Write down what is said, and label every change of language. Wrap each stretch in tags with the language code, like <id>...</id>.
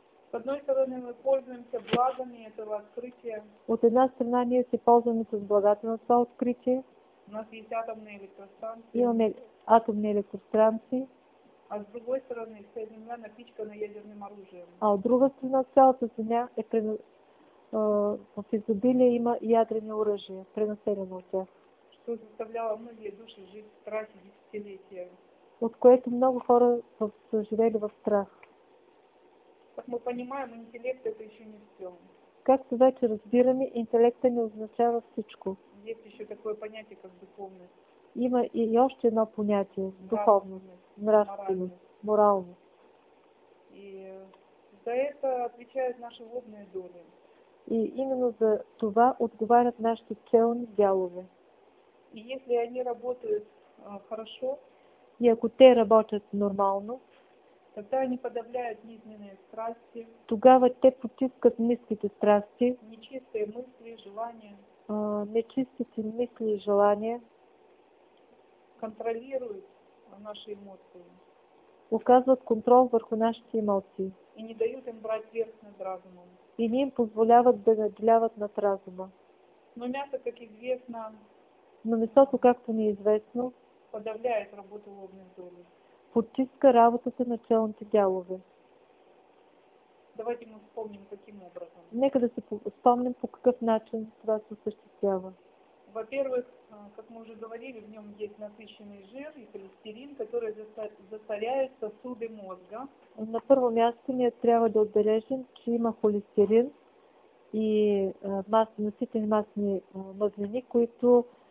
<ru>С одной стороны, мы пользуемся благами этого открытия.</ru> <bg>От една страна ние се ползваме с благата на това откритие.</bg> <ru>У нас есть атомные электростанции.</ru> <bg>Имаме атомни електростанции.</bg> <ru>А с другой стороны, вся Земля напичкана ядерным оружием.</ru> <bg>А от друга страна, цялата Земля е в изобилие има ядрени оръжия, пренаселено от тях.</bg> <ru>Що заставляло многие души жить в страхе десятилетия.</ru> <bg>От което много хора са живели в страх.</bg> <ru>Как мы понимаем, интелект это еще не все.</ru> <bg>Както вече разбираме, интелекта не означава всичко.</bg> <ru>Есть еще такое понятие, как духовность.</ru> <bg>Има и още едно понятие – духовность, нравственность, моральность.</bg> <ru>И за это отвечают наши водные доли.</ru> <bg>И именно за това отговарят нашите челни дялове.</bg> <ru>И если они работают хорошо,</ru> <bg>и ако те работят нормално,</bg> <ru>тогда они подавляют низменные страсти,</ru> <bg>тогава те потискат ниските страсти,</bg> <ru>нечистые мысли и желания,</ru> <bg>нечистите мисли и желания,</bg> <ru>контролируют наши эмоции, оказывают</ru> <bg>контрол върху нашите эмоции,</bg> <ru>и не дают им брать верх над разумом.</ru> <bg>И не им позволяват да наделяват над разума.</bg> <ru>Но мясо, как известно,</ru> <bg>но месото, както ни е известно,</bg> <ru>подавляет работу лобных долей.</ru> <bg>Потиска работата на челните дялове.</bg> <ru>Давайте мы вспомним, каким образом.</ru> <bg>Нека да се спомним по какъв начин това се осъществява.</bg> <ru>Во-первых, как мы уже говорили, в нем есть насыщенный жир и холестерин, которые засоряют сосуды мозга.</ru> <bg>На първо място ние трябва да отбележим, че има холестерин и носители масни мазнини, които</bg>